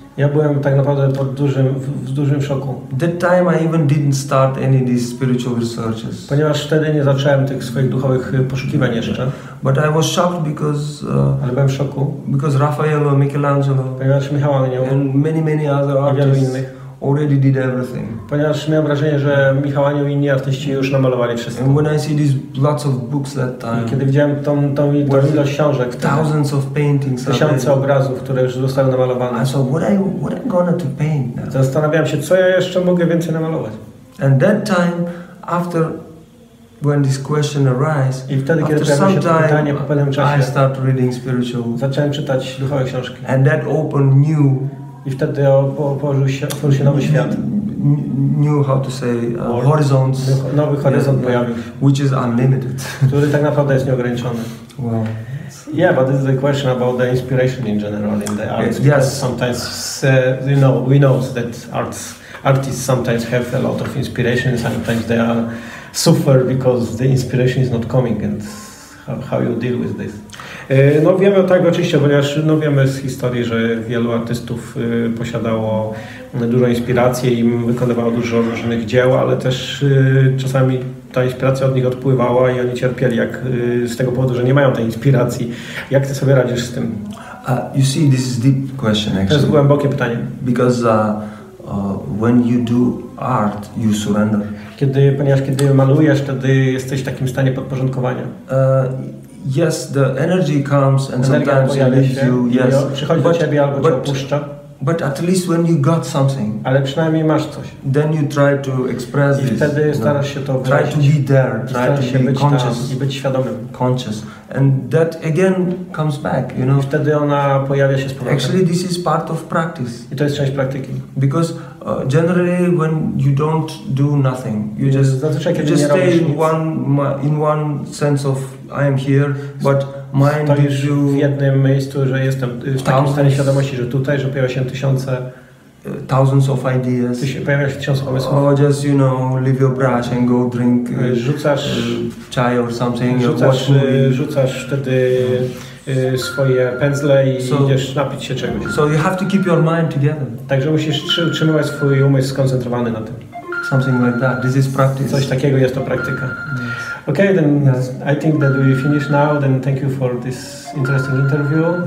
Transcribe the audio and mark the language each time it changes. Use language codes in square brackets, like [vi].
[pl] Ja byłem tak naprawdę w dużym szoku. [en] That time I even didn't start any of these spiritual researches. [pl] Ponieważ wtedy nie zacząłem tych swoich duchowych poszukiwań jeszcze. [en] But I was shocked because. [pl] Ale byłem w szoku. [en] Because Raffaello, Michelangelo. [pl] Ponieważ Michał Anioł. [en] And many other artists. Already did everything. [pl] Ponieważ miałem wrażenie, że Michał Anioł i inni artyści już namalowali wszystko. [en] And when I see these lots of books that time. [pl] I kiedy widziałem tą ilość książek. [en] Thousands of paintings. [pl] Tysiące obrazów, które już zostały namalowane. [en] I thought, what I'm gonna to paint now? [pl] Zastanawiałem się, co ja jeszcze mogę więcej namalować. [en] And that time, after when this question arises, [pl] i wtedy, kiedy pojawiło się to pytanie po pewnym czasie, [en] I start reading spiritual. [pl] Zacząłem czytać duchowe książki. [en] And that opened new. [pl] I wtedy otworzył się nowy świat. [en] New, how to say, horizons. [pl] Nowy horyzont pojawił się. [en] Which is unlimited. [pl] Który tak naprawdę jest nieograniczony. [en] Wow. Yeah, but this is a question about the inspiration in general in the arts. Yes. Sometimes, you know, we know that artists sometimes have a lot of inspiration. Sometimes they are suffer because the inspiration is not coming. And how you deal with this? [pl] No wiemy tak oczywiście, ponieważ no, wiemy z historii, że wielu artystów posiadało dużo inspiracji i wykonywało dużo różnych dzieł, ale też czasami ta inspiracja od nich odpływała i oni cierpieli jak z tego powodu, że nie mają tej inspiracji. Jak ty sobie radzisz z tym? [en] You see, this is deep question actually. [pl] To jest głębokie pytanie. [en] Because when you do art, you surrender. [pl] Kiedy malujesz, wtedy jesteś w takim stanie podporządkowania. [en] Yes, the energy comes and [pl] energia [en] sometimes it leaves you. Yes, [pl] przychodzi do ciebie albo cię opuszcza. [en] But at least when you got something, [pl] ale przynajmniej masz coś. [en] Then you try to express [pl] i wtedy starasz się to wyrazić. [en] Try to be there, try to be [pl] być [en] conscious [pl] i być świadomym. [en] Conscious, and that again comes back, you know. [pl] I wtedy ona pojawia się z powrotem. [en] Actually, this is part of practice. [pl] I to jest część praktyki. [en] Because generally, when you don't do nothing, you just [pl] zazwyczaj, [en] you just stay in one sense of I am here, but [pl] stoisz w jednym miejscu, że jestem w takim stanie świadomości, że tutaj, że pojawia się tysiące [en] thousands of ideas. [pl] Pojawia się tysiące pomysłów. [en] Or just, you know, leave your brush and go drink [pl] rzucasz [en] chai or something. [pl] Rzucasz, rzucasz wtedy swoje pędzle i so, idziesz napić się czegoś. [en] So you have to keep your mind together. [pl] Także musisz utrzymywać swój umysł skoncentrowany na tym. [en] Something like that. This is practice. [pl] Coś takiego jest to praktyka. [en] Okay, then yes. I think that we finish now. Then thank you for this interesting interview.